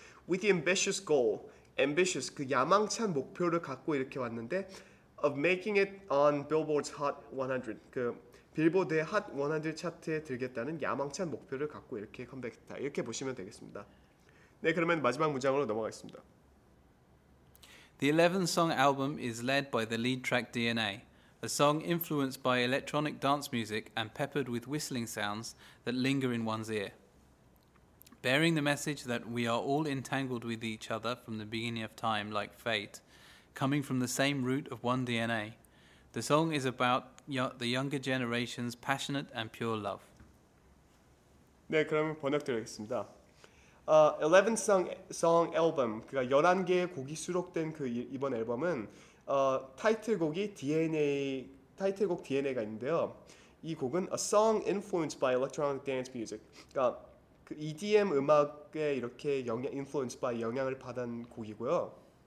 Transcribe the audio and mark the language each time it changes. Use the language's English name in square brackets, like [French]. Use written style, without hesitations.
[English] With the ambitious goal, ambitious [Korean] 그 야망찬 목표를 갖고 이렇게 왔는데 [English] of making it on Billboard's Hot 100 [Korean] 그 빌보드의 Hot 100 차트에 들겠다는 야망찬 목표를 갖고 이렇게 컴백했다. 이렇게 보시면 되겠습니다. 네, 그러면 마지막 문장으로 넘어가겠습니다. [English] The 11-song album is led by the lead track DNA, a song influenced by electronic dance music and peppered with whistling sounds that linger in one's ear. Bearing the message that we are all entangled with each other from the beginning of time, like fate, coming from the same root of one DNA, the song is about the younger generation's passionate and pure love. [Korean] 네, 그러면 번역드리겠습니다. 11-song album, 그러니까 11개의 곡이 수록된 그 이번 앨범은 타이틀곡이 DNA, 타이틀곡 DNA가 있는데요. 이 곡은 [English] A Song Influenced by Electronic Dance Music, [Korean] 그러니까 그 EDM 음악에 이렇게 영향, Influenced by 영향을 받은 곡이고요.